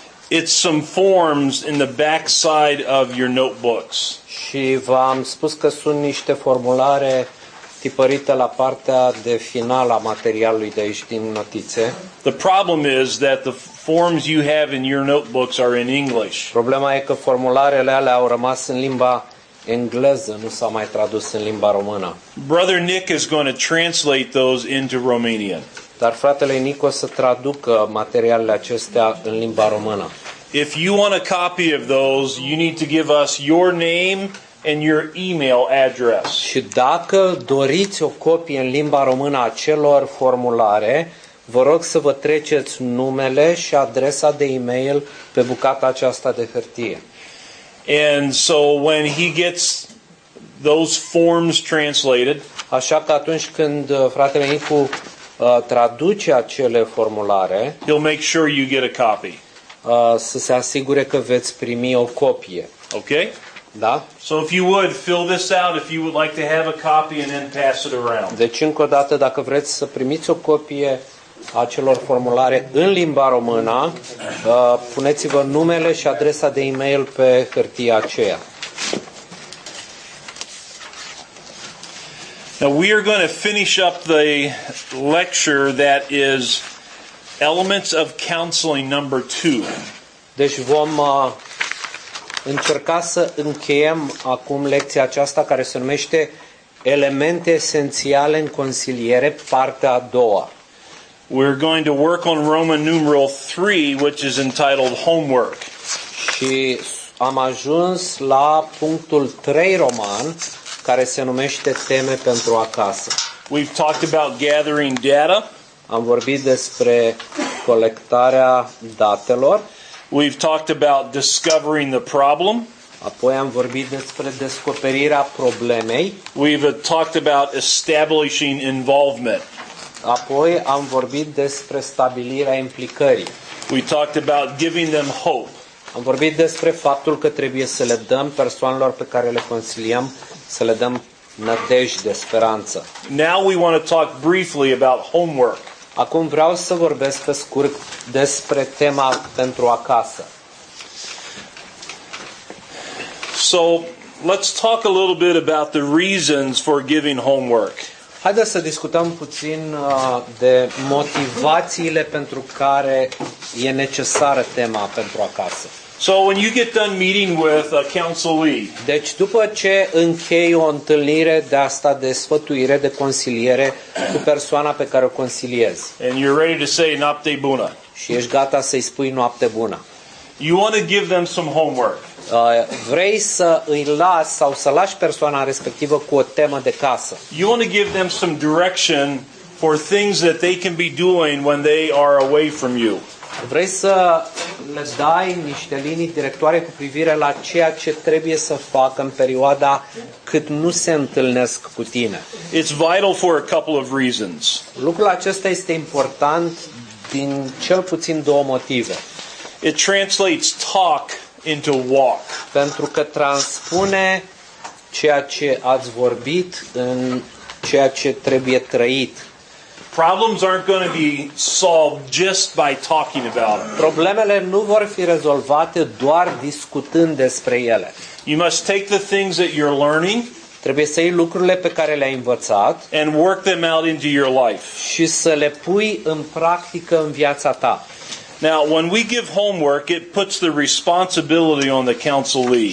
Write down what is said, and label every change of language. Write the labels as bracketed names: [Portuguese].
[English] It's some forms in the backside of your notebooks. [Romanian] Și v-am spus că sunt niște formulare tipărite la partea de final a materialului de aici din notițe. [English] The problem is that the forms you have in your notebooks are in English. [Romanian] Problema e că formularele alea au rămas în limba engleză, nu s-a mai tradus în limba română. [English] Brother Nick is going to translate those into Romanian. [Romanian] Dar fratele Nick o să traducă materialele acestea în limba română. [English] If you want a copy of those, you need to give us your name and your email address. [Romanian] Și dacă doriți o copie în limba română a celor formulare, vă rog să vă treceți numele și adresa de e-mail pe bucata aceasta de hârtie. [English] And so when he gets those forms translated, [Romanian] așa că atunci când fratele Nicu traduce acele formulare, [English] he'll make sure you get a copy. [Romanian] Să se asigure că veți primi o copie. [English] Okay? [Romanian] Da? [English] So if you would fill this out if you would like to have a copy and then pass it around. [Romanian] Deci încă o dată, dacă vreți să primiți o copie a celor formulare în limba română, puneți-vă numele și adresa de e-mail pe hârtia aceea. [English] Now we are going to finish up the lecture that is Elements of Counseling number 2. [Romanian] Deci vom încerca să încheiem acum lecția aceasta care se numește Elemente esențiale în consiliere, partea a doua. [English] We're going to work on Roman numeral 3, which is entitled Homework. [Romanian] Și am ajuns la punctul 3 roman, care se numește Teme pentru acasă. [English] We've talked about gathering data. [Romanian] Am vorbit despre colectarea datelor. [English] We've talked about discovering the problem. [Romanian] Apoi am vorbit despre descoperirea problemei. [English] We've talked about establishing involvement. [Romanian] Apoi am vorbit despre stabilirea implicării. [English] We talked about giving them hope. [Romanian] Am vorbit despre faptul că trebuie să le dăm persoanelor pe care le consiliem, să le dăm nădejde, speranță. [English] Now we want to talk briefly about homework. [Romanian] Acum vreau să vorbesc pe scurt despre tema pentru acasă. [English] So, let's talk a little bit about the reasons for giving homework. [Romanian] Haideți să discutăm puțin de motivațiile pentru care e necesară tema pentru acasă. [English] So when you get done meeting with a counselee. [Romanian] Deci după ce închei o întâlnire de asta de sfătuire, de consiliere cu persoana pe care o consiliezi. [English] And you're ready to say [Romanian] noapte bună. Și ești gata să-i spui noapte bună. [English] You want to give them some homework. [Romanian] Vrei să îi lași sau să lași persoana respectivă cu o temă de casă. [English] You want to give them some direction for things that they can be doing when they are away from you. [Romanian] Vrei să le dai niște linii directoare cu privire la ceea ce trebuie să facă în perioada cât nu se întâlnesc cu tine. [English] It's vital for a couple of reasons. [Romanian] Lucrul acesta este important din cel puțin două motive. [English] It translates talk into walk. [Romanian] Pentru că transpune ceea ce ați vorbit în ceea ce trebuie trăit. [English] Problems aren't going to be solved just by talking about them. [Romanian] Problemele nu vor fi rezolvate doar discutând despre ele. [English] You must take the things that you're learning. [Romanian] Trebuie să iei lucrurile pe care le-ai învățat. [English] And work them out into your life. [Romanian] Și să le pui în practică în viața ta. [English] Now, when we give homework, it puts the responsibility on the counselee.